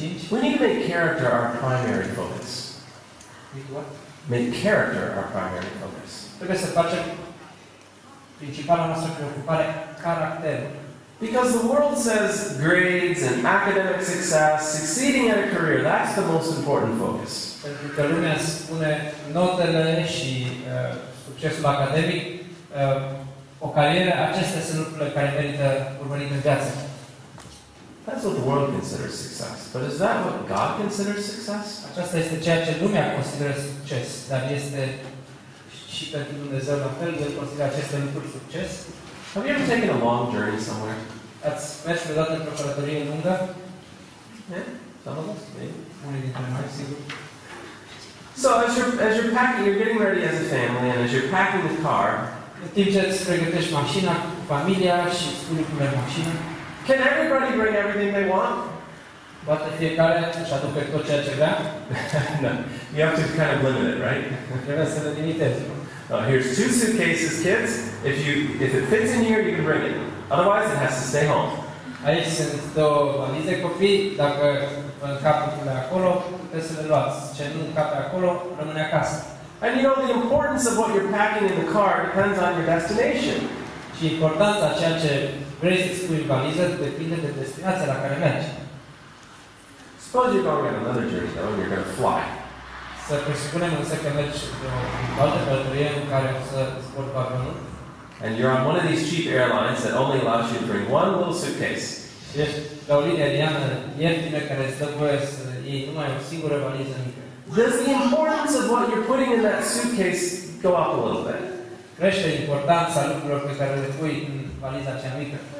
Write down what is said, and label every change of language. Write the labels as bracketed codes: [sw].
[en] We need to make character our primary focus. Make character our primary focus. [ro] Trebuie să facem principala noastră preocupare caracterul. [en] Because the world says grades and academic success, succeeding at a career, that's the most important focus. [ro] Pentru că lumea spune notele și succesul academic, o carieră, acestea sunt lucrurile care merită urmărit în viață. [en] That's what the world considers success. But is that what God considers success? [ro] Aceasta este ceea ce lumea consideră succes. Dar este și pentru Dumnezeu la fel, El consideră aceste lucruri succes. [en] Have you ever taken a long journey somewhere? [ro] Ați mers vreodată într-o călătorie lungă? [en] Some of us, maybe. [ro] Unii dintre noi, sigur. [en] So as you're packing, you're getting ready as a family, and as you're packing the car, [ro] în timp ce îți pregătești mașina cu familia și spune cum e mașina, [en] can everybody bring everything they want? [ro] Poate fiecare își aduce tot ceea ce vrea? [en] No. You have to kind of limit it, right? [ro] Trebuie să le limitezi. [en] Oh, here's two suitcases, kids. If it fits in here, you can bring it. Otherwise, it has to stay home. [ro] Aici sunt două valize, copii. Dacă vă încapă acolo, puteți să le luați. Ce nu încapă acolo, rămâne acasă. [en] And you know, the importance of what you're packing in the car depends on your destination. [ro] Și importanța ceea ce vrei să-ți pui valiză depinde de destinația la care mergi. [en] Suppose you're going on another journey, though, and you're going to fly. [ro] Să presupunem însă că mergi într-o altă călătorie în care o să zbori cu avionul. [en] And you're on one of these cheap airlines that only allows you to bring one little suitcase. [ro] Și ești la o linie aeriană ieftină care îți dă voie să iei numai o singură valiză mică. [en] Does the importance of what you're putting in that suitcase go up a little bit? [ro] Crește importanța lucrurilor pe care le pui în valiza cea mică.